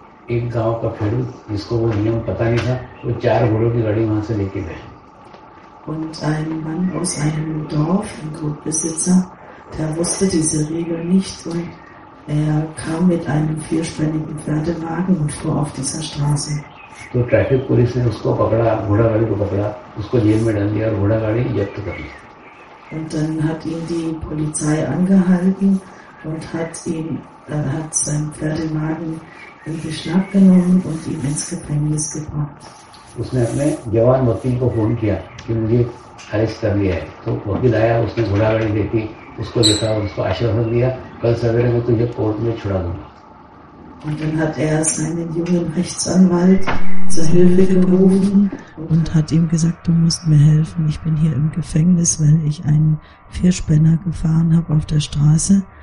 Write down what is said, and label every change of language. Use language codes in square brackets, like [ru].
[hi] एक गांव का फेरू जिसको वो नियम पता नहीं था, वो चार घोड़ों की गाड़ी वहां से लेके गए। [de] Und ein Mann aus einem Dorf, ein Grundbesitzer, der wusste diese Regel nicht und er kam mit einem vierspännigen Pferdewagen und fuhr auf dieser Straße. [hi] तो ट्रैफिक पुलिस ने उसको पकड़ा, घोड़ागाड़ी को पकड़ा, उसको जेल में डाल दिया और घोड़ागाड़ी जब्त कर ली। [de] Und dann hat ihn die Polizei angehalten und hat seinen Pferdewagen in Beschlag genommen und ihn ins Gefängnis gebracht. [hi] उसने अपने जवान वकील को फोन किया कि मुझे अरेस्ट कर लिया है। तो वकील आया, उसने घोड़ागाड़ी देखी, उसको देखा और उसको आश्वासन दिया, कल सवेरे मैं तुझे कोर्ट में छुड़ा दूंगा। [de] Und dann hat seinen jungen Rechtsanwalt zur Hilfe gerufen und hat ihm gesagt, du musst mir helfen, ich bin hier im Gefängnis, weil ich einen Vierspänner gefahren habe auf der Straße.